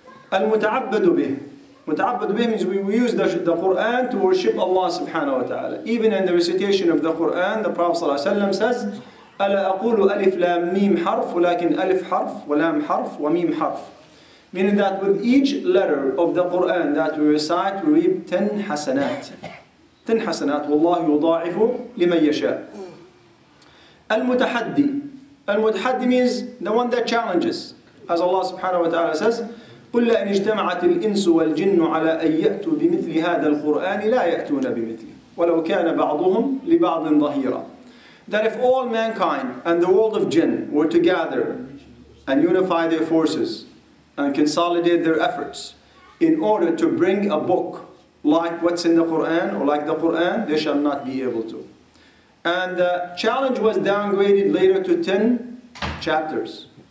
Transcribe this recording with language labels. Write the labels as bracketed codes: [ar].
[en] Al-muta'abbadu bih. Muta'abbadu bih means we use the Qur'an to worship Allah subhanahu wa ta'ala. Even in the recitation of the Qur'an, the Prophet sallallahu alayhi wa sallam says, [ar] ألا أقول ألف لام ميم حرف ولكن ألف حرف ولام حرف وميم حرف. [en] Meaning that with each letter of the Quran that we recite, we reap 10 حسنات. [ar] 10 حسنات والله يضاعف لمن يشاء. [en] المتحدي. المتحدي means the one that challenges. As Allah subhanahu wa ta'ala says, [ar] قل لأن اجتمعت الإنس والجن على أن يأتوا بمثل هذا القرآن لا يأتون بمثله ولو كان بعضهم لبعض ظهيرا. [en] That if all mankind and the world of jinn were to gather and unify their forces and consolidate their efforts in order to bring a book like what's in the Qur'an or like the Qur'an, they shall not be able to. And the challenge was downgraded later to 10 chapters.